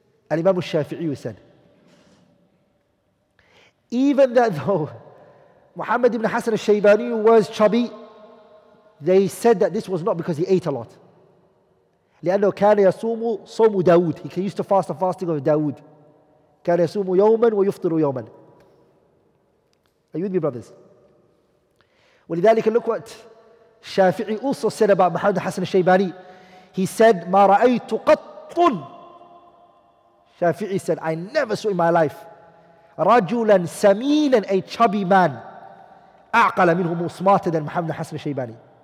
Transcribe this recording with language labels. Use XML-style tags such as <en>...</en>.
<en>Al-Imam al-Shafi'i said. Even that though Muhammad ibn Hassan al-Shaybani was chubby, they said that this was not because he ate a lot.</en> <ar>لأنه كان يصوم صوم داود.</ar> <en>He used to fast the fasting of Dawood.</en> <ar>كان يصوم يوما ويفطر يوما.</ar> <en>Are you with me, brothers?</en> <ar>ولذلك,</ar> <en>look what Shafi'i also said about Muhammad Hassan al-Shaybani. He said,</en> <ar>ما رأيت قط.</ar> <en>Shafi'i said, I never saw in my life</en> <ar>رجلا سمينا,</ar> <en>a chubby man,</en> <ar>أعقل منه,</ar> <en>more smarter than Muhammad Hassan al-Shaybani.</en>